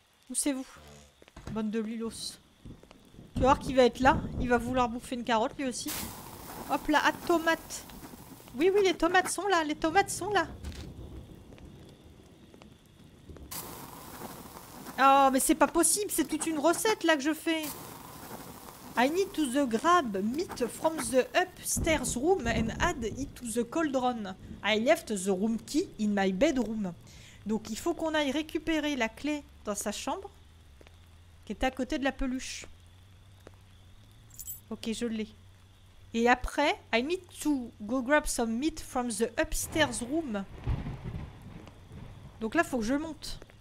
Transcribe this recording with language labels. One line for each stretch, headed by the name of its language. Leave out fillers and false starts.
French: Où c'est vous? Bande de Lulos. Tu vas voir qu'il va être là. Il va vouloir bouffer une carotte, lui aussi. Hop là, à tomate. Oui, oui, les tomates sont là. Les tomates sont là. Oh, mais c'est pas possible. C'est toute une recette, là, que je fais.
English: I need to the grab meat from the upstairs room and add it to the cauldron. I left the room key in my bedroom.
French: Donc, il faut qu'on aille récupérer la clé dans sa chambre qui est à côté de la peluche. Ok, je l'ai. Et après,
English: I need to go grab some meat from the upstairs room.
French: Donc là, faut que je monte.